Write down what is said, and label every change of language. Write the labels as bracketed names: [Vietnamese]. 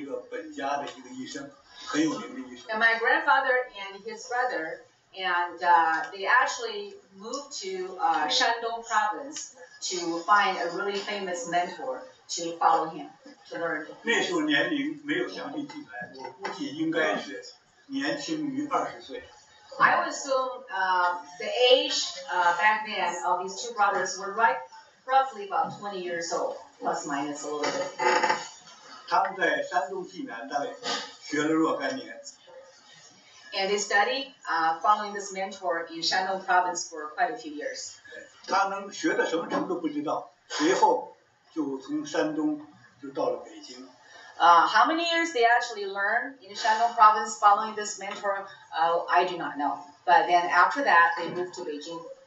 [Chinese] 像我爷爷那会儿，我爷爷跟我爷爷的弟弟两个人，从原籍出来，就是到山东去投奔一个本家的一个医生，很有名的医生。 [English] And my grandfather and his brother. And they actually moved to Shandong province to find a really famous mentor to follow him, to learn. [Chinese] 那时候年龄没有详细记载，我估计应该是年轻于20岁。 [English] I would assume the age back then of these two brothers were right roughly about 20 years old, plus minus a little bit. [Chinese] 他们在山东济南大概学了若干年。 [English] And they study following this mentor in Shandong province for quite a few years. [Chinese] 他能学到什么程度不知道，随后就从山东就到了北京。 [English] How many years they actually learn in Shandong province following this mentor, I do not know. But then after that, they moved to Beijing.